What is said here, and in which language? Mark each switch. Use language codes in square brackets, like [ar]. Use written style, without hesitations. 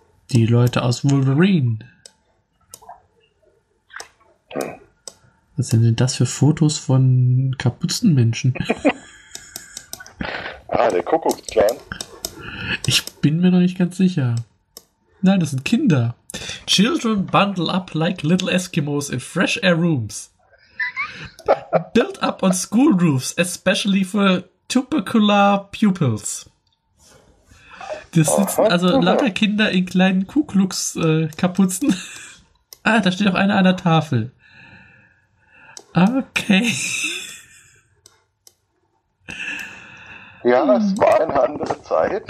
[de] Die Leute aus Wolverine. Was sind denn das für Fotos von Kapuzenmenschen? Ah, der Kuckucksclan. Ich bin mir noch nicht ganz sicher. Nein, das sind Kinder. [en] Children bundle up like little Eskimos in fresh air rooms. Built up on school roofs, especially for tubercular pupils. [de] Das sitzen also lauter Kinder in kleinen Kuckucks-Kapuzen. Ah, da steht auch einer an der Tafel. Okay. Ja, es war eine andere Zeit.